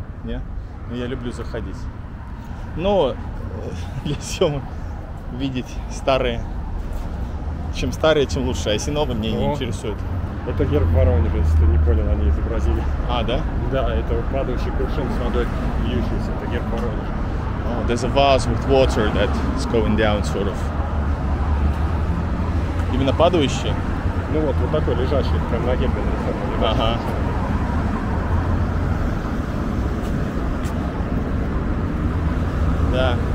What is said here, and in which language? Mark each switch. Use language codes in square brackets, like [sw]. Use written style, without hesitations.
[ru] Нет? Ну, я люблю заходить. Ну, для съемок видеть старые. Чем старые, тем лучше. А если новые, мне не интересует. Это герб Воронежа, если ты не понял, они изобразили. А, да? Да, это падающий кувшин с водой, бьющийся. Это герб Воронежа. [en] О, oh, there's a vase with water that is going down, sort of. [ru] Именно падающий? Ну вот, вот такой лежащий, прям на гербе нарисован. Ага. Да.